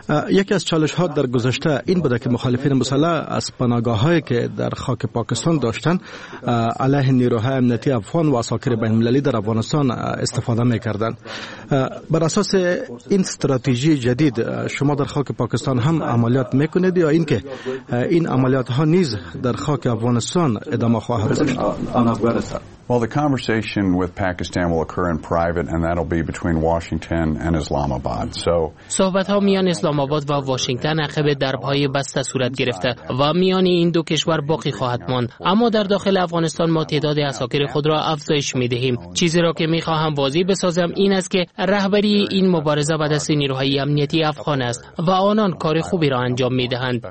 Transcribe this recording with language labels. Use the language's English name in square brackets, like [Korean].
[Persian] یکی از چالش ها در گذشته این بوده که مخالفین مسلح از پناهگاه هایی که در خاک پاکستان داشتن علیه نیروهای امنیتی افغان و عساکر بین المللی در افغانستان استفاده می کردن. بر اساس این استراتژی جدید شما در خاک پاکستان هم عملیات می کنید یا این که این عملیات ها نیز در خاک افغانستان ادامه خواهد داشت؟ [English] Well, the conversation with Pakistan will occur in private, and that'll be between Washington and Islamabad. So, [Persian] صحبت‌ها میان اسلام‌آباد و واشنگتن عقب درب‌های بسته صورت گرفته و میان این دو کشور باقی خواهد ماند. اما در داخل افغانستان ما تعداد عساکر خود را افزایش می‌دهیم. چیزی را که می‌خواهم واضح بسازم این است که رهبری این مبارزه با دست نیروهای امنیتی افغان است و آنان کار خوبی را انجام می‌دهند.